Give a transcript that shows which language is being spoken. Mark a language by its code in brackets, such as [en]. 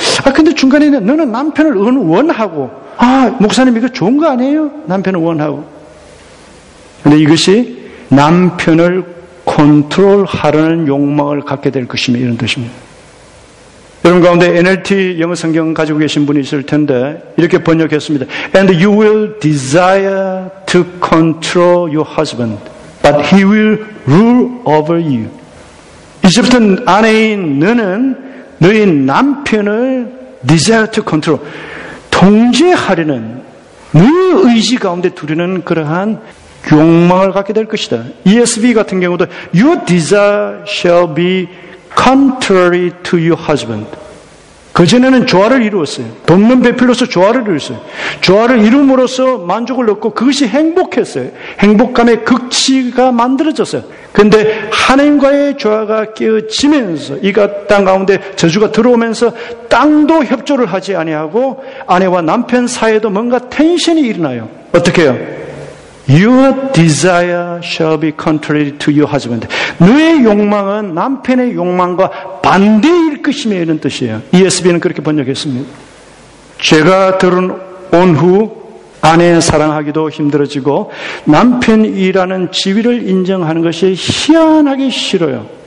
[ko] 아, 근데 중간에 너는 남편을 원하고, 아, 목사님 이거 좋은 거 아니에요? 남편을 원하고. 근데 이것이 남편을 컨트롤하려는 욕망을 갖게 될 것이며 이런 뜻입니다. 여러분 가운데 NLT 영어 성경 가지고 계신 분이 있을 텐데 이렇게 번역했습니다. [en] And you will desire to control your husband, but he will rule over you. [ko] 이제부터 아내인 너는 너의 남편을 [en] desire to control, [ko] 통제하려는 너의 의지 가운데 두려는 그러한 욕망을 갖게 될 것이다. [en] ESV [ko] 같은 경우도 [en] Your desire shall be contrary to your husband. [ko] 그전에는 조화를 이루었어요. 돕는 배필로서 조화를 이루었어요. 조화를 이룸으로써 만족을 얻고 그것이 행복했어요. 행복감의 극치가 만들어졌어요. 그런데 하나님과의 조화가 깨어지면서 이가 땅 가운데 저주가 들어오면서 땅도 협조를 하지 아니하고 아내와 남편 사이에도 뭔가 텐션이 일어나요. 어떻게 해요? [en] Your desire shall be contrary to your husband. [ko] 너의 욕망은 남편의 욕망과 반대일 것이며 이런 뜻이에요. ESV는 그렇게 번역했습니다. 죄가 들어온 후 아내의 사랑하기도 힘들어지고 남편이라는 지위를 인정하는 것이 희한하게 싫어요.